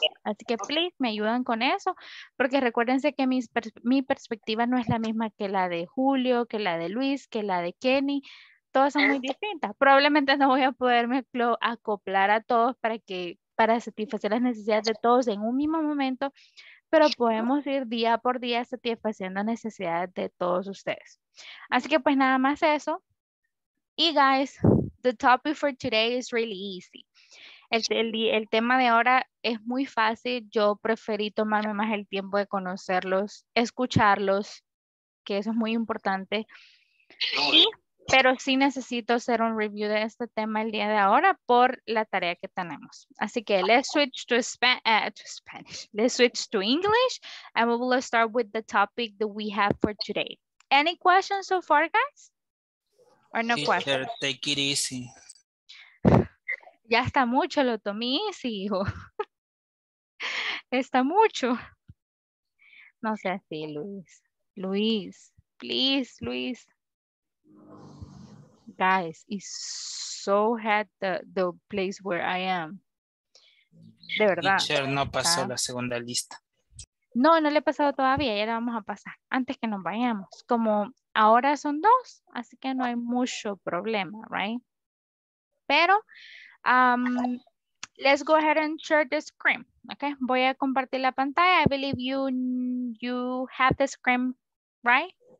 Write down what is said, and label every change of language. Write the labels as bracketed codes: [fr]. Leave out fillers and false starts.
[es] Así que, please, me ayudan con eso, porque recuérdense que mi perspectiva no es la misma que la de Julio, que la de Luis, que la de Kenny. Todas son muy distintas. Probablemente no voy a poderme acoplar a todos para satisfacer las necesidades de todos en un mismo momento, pero podemos ir día por día satisfaciendo necesidades de todos ustedes. Así que pues nada más eso. [en] Y guys, the topic for today is really easy. [es] El tema de ahora es muy fácil. Yo preferí tomarme más el tiempo de conocerlos, escucharlos, que eso es muy importante. Pero sí necesito hacer un review de este tema el día de ahora por la tarea que tenemos. Así que [en] let's switch to Spanish. Let's switch to English. And we will start with the topic that we have for today. Any questions so far, guys? Or no questions? Teacher, take it easy. [es] Ya está mucho, lo tomé easy, hijo. Está mucho. No sé así, Luis. Luis, please, Luis. [en] Guys, it's so hot the place where I am. [es] De verdad. Teacher, no pasó la segunda lista. No, no le he pasado todavía. Ya la vamos a pasar antes que nos vayamos. Como ahora son dos, así que no hay mucho problema, right? [en] Pero, let's go ahead and share the screen, okay? [es] Voy a compartir la pantalla. [en] I believe you have the screen, right?